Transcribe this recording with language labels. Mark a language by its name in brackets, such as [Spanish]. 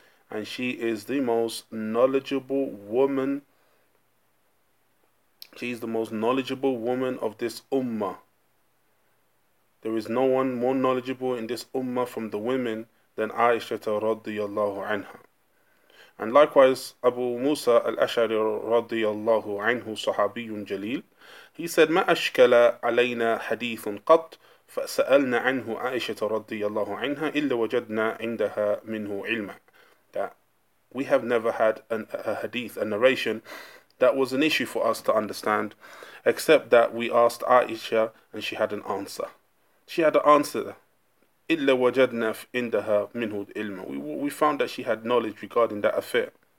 [English] And she is the most knowledgeable woman. She is the most knowledgeable woman of this ummah. There is no one more knowledgeable in this ummah from the women than Aisha radiallahu anha. And likewise, Abu Musa al-Ash'ari radiallahu anhu, [Arabic] sahabiyun jaleel, [English] he said, [Arabic] ما أشكل علينا حديث قط فسألنا عنه عائشة رضي الله عنها إلا وجدنا عندها منه علما. [English] That we have never had a hadith, a narration, that was an issue for us to understand, except that we asked Aisha and she had an answer. She had an answer. [Arabic] إلا وجدنا عندها منه علما. [English] We found that she had knowledge regarding that affair.